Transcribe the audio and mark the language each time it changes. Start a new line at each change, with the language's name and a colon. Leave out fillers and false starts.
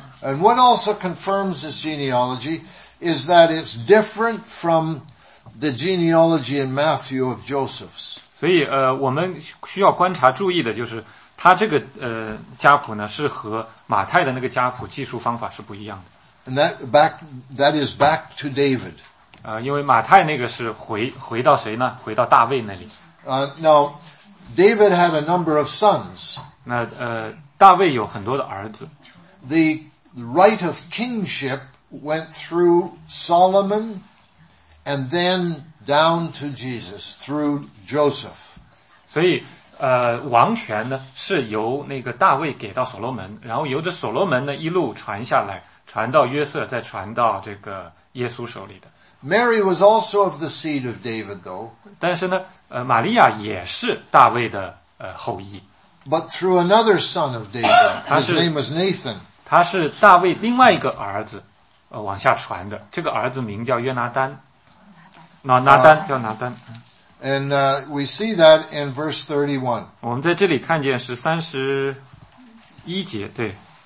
English: And what also confirms this genealogy,is that it's different from the genealogy in Matthew of Joseph's.
Chinese: 所以我们需要观察注意的就是他这个家谱呢是和马太的那个家谱记述方法是不一样的。
English: And that is back to David.
Chinese: 因为马太那个是回到谁呢？回到大卫那里。
English: Now, David had a number of sons.
Chinese: 那大卫有很多的儿子。
English: The right of kingship went through Solomon and then down to Jesus through Joseph.
Chinese: 所以王权呢是由那个大卫给到所罗门，然后由着所罗门呢一路传下来，传到约瑟，再传到这个耶稣手里的。
English: Mary was also of the seed of David though.
Chinese: 但是呢玛利亚也是大卫的后裔。
English: But through another son of David, his name was Nathan.
Chinese: 他是大卫另外一个儿子。往下传的这个儿子名叫约拿丹，叫拿丹。
English: And we see that in verse 31.
Chinese: 我们在这里看见是三十一节，对。